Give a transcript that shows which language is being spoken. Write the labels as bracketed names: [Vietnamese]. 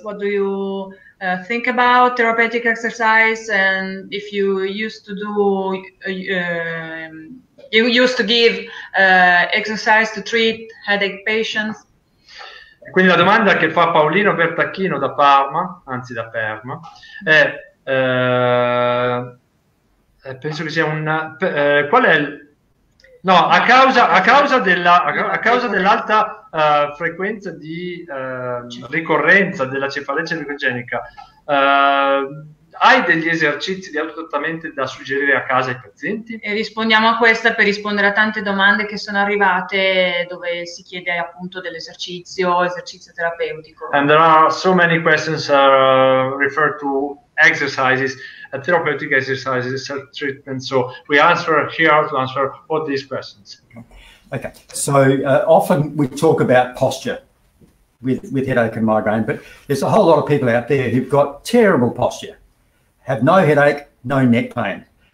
[English] What do you think about therapeutic exercise, and if you used to do, you used to give exercise to treat headache patients? [Italian] Quindi la domanda che fa Paolino Bertacchino da Parma, anzi da Perma, è, penso che sia un, qual è il, no, a causa dell'alta frequenza di ricorrenza della cefalea cervicogenica, hai degli esercizi di autotrattamento da suggerire a casa ai pazienti? E rispondiamo a questa per rispondere a tante domande che sono arrivate, dove si chiede appunto dell'esercizio terapeutico. [English] And there are so many questions refer to exercises, therapeutic exercises, self-treatment. So we answer here to answer all these questions. Okay. So often we talk about posture with headache and migraine, but there's a whole lot of people out there who've got terrible posture, have no headache, no neck pain.